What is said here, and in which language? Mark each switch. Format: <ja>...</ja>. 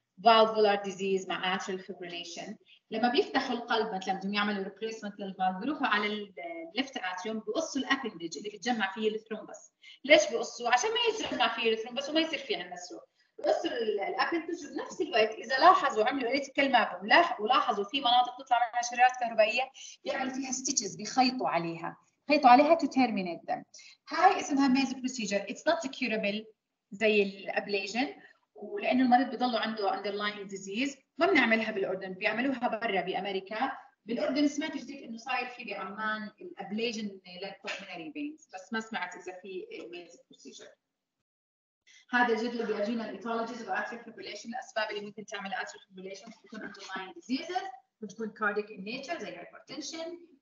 <ar>valvular disease مع atrial fibrillation لما بيفتحوا القلب مثلا بدهم يعملوا replacement للفالف بروحوا على الليفت اتريوم بقصوا الابندج اللي بتجمع فيه الثرومبس ليش بقصوا عشان ما يتجمع فيه الثرومبس وما يصير فيه عندنا سروق بقصوا الابندج بنفس الوقت اذا لاحظوا عملوا الكتريكال مابينج ولاحظوا في مناطق تطلع منها شرارات كهربائيه بيعملوا فيها stitches بيخيطوا عليها خيطوا عليها</ar> <en>to terminate them.</en> <ar>هاي اسمها ميزو بروسيجر.</ar> <en>It's not curable</en> <ar>زي الابليجن. ولأن المريض بيضلوا عنده underlying disease. ما بنعملها بالأردن. بيعملوها برا بأمريكا. بالأردن سمعت جديد انه صاير في بعمان الابليجن للبولمينري فينز. بس ما سمعت اذا في ميزو بروسيجر. هذا جدول بيرجينا الايتولوجيز و atrial fibrillation. الاسباب اللي ممكن تعمل atrial fibrillation. بتكون underlying diseases. بتكون</ar> <en>cardiac in nature</en> <ar>زي hypertension.</ar>